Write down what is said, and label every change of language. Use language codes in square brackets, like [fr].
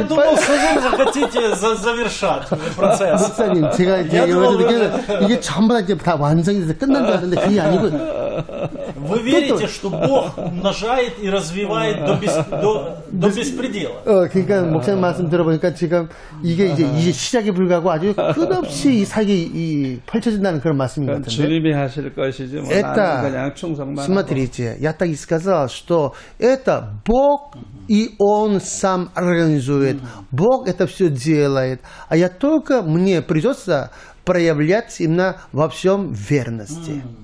[ru] думал, что вы захотите завершать процесс. Вы верите, что Бог умножает и развивает до беспредела? [ko] 목사님 말씀 들어보니까 지금 이게 이제 시작에 불과하고 아주 끝없이 사기 펼쳐진다는 그런 말씀인 것 같은데. 주님이 하실 것이지 뭐. [ru] Смотрите, я так и сказал, что это Бог, и Он сам организует. Бог это все делает. А я только, мне придется проявлять именно во всем верности.